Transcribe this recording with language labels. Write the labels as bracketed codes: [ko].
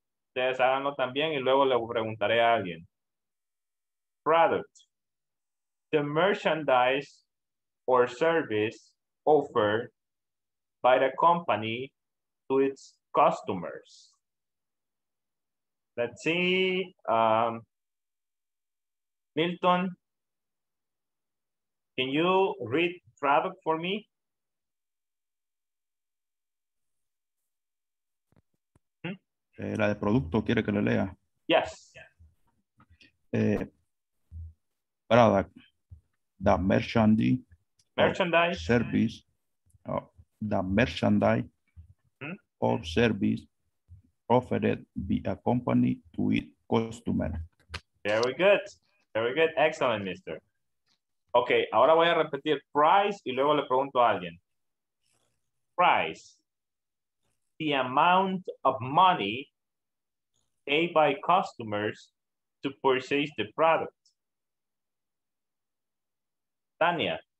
[es] Ustedes háganlo también y luego le preguntaré a alguien. [en] Product. The merchandise or service offered by the company to its customers. Let's see. Milton, can you read product for me? [es] La de producto, ¿quiere que lo lea? [en] Yes. Product. The merchandise. Merchandise. Service. The merchandise or service offered by a company to its customer. Very good. Very good. Excellent, mister. [es] Ok, ahora voy a repetir price y luego le pregunto a alguien. [en] Price. The amount of money paid by customers to purchase the product. Tania.